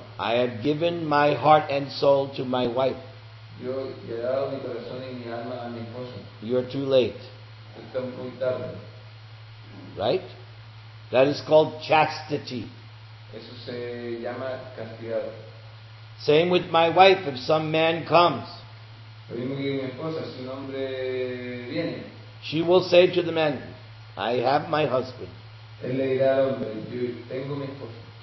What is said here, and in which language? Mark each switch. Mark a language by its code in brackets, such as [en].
[en] I have given my heart and soul to my wife. [es] Yo he dado mi corazón y mi alma a mi esposa. [en] You're too late. [es] Está muy tarde. [en] Right? That is called chastity. [es] Eso se llama castidad. [en] Same with my wife, if some man comes. [es] Lo mismo que mi esposa, si un hombre viene. [en] She will say to the man, I have my husband. [es] Él le dirá al hombre, yo tengo mi esposa.